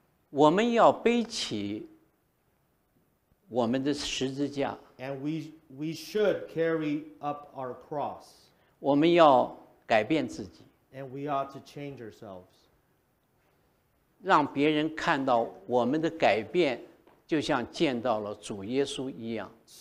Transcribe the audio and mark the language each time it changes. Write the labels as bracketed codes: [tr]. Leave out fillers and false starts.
[zh] 我们要背起我们的十字架。 [en] And we should carry up our cross. [zh] 我们要改变自己。 [en] And we ought to change ourselves. [zh] 让别人看到我们的改变。就像见到了主耶稣一样。